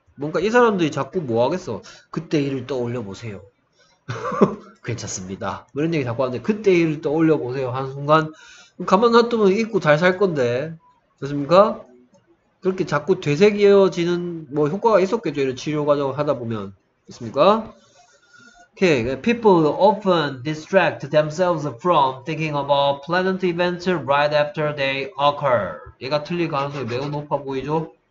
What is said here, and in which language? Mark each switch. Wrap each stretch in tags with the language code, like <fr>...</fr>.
<ko>뭔가 이 사람들이 자꾸 뭐 하겠어? 그때 일을 떠올려 보세요. 괜찮습니다. 이런 얘기 자꾸 하는데 그때 일을 떠올려 보세요. 한 순간 가만 놔두면 잊고 잘살 건데, 그렇습니까? 그렇게 자꾸 되새겨지는 뭐 효과가 있었겠죠. 이런 치료 과정을 하다 보면, 그렇습니까?</ko> <en>Okay. People often distract themselves from thinking about pleasant events right after they occur.</en> <ko>얘가 틀릴 가능성이 매우 높아 보이죠?</ko>